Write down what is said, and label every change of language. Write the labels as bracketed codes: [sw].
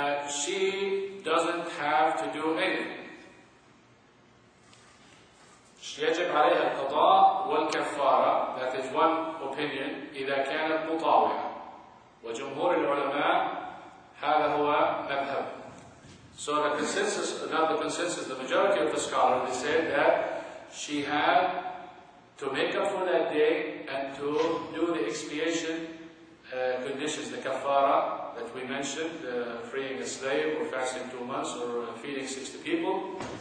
[en] She doesn't have to do anything. [ar] يجب عليها القضاء والكفارة, [en] that is one opinion, [ar] إذا كانت مطاوعة. وجمهور العلماء هذا هو مذهب. [en] So the consensus, not the consensus, the majority of the scholars, they said that she had to make up for that day and to do the expiation conditions, the kafara that we mentioned, freeing a slave or fasting 2 months or feeding 60 people.